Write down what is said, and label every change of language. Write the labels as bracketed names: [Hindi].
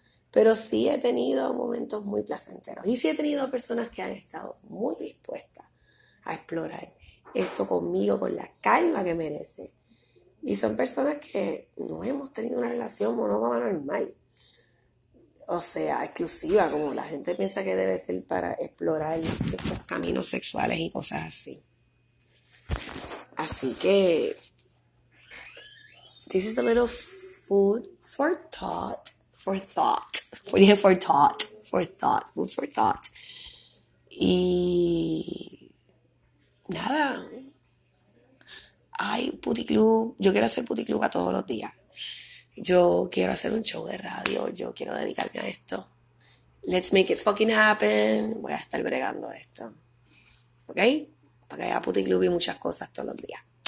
[Spanish] Pero sí he tenido momentos muy placenteros. Y sí he tenido personas que han estado muy dispuestas a explorar esto conmigo con la calma que merece. Y son personas que no hemos tenido una relación monógama normal. O sea, exclusiva, como la gente piensa que debe ser para explorar estos caminos sexuales y cosas así. Así que, [English] this is a little food for thought, for thought. What do you have for thought? For thought, food for thought. [Spanish] Y nada. Ay, puticlub. Yo quiero hacer puticlub a todos los días. Yo quiero hacer un show de radio. Yo quiero dedicarme a esto. [English] Let's make it fucking happen. [Spanish] Voy a estar bregando esto. ¿Ok? Para que haya puticlub y muchas cosas todos los días.